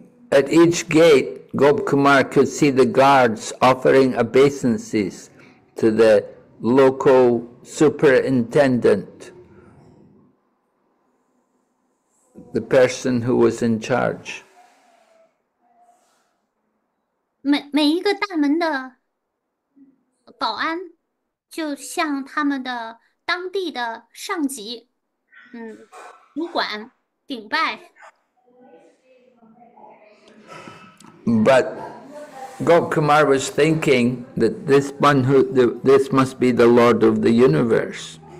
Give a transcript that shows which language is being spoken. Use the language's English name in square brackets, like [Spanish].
[English] At each gate, Gop Kumar could see the guards offering obeisances to the local superintendent, the person who was in charge. [Chinese] 每一个大门的保安就向他们的当地的上级主管顶拜。 [English] But Gop Kumar was thinking that this must be the Lord of the universe.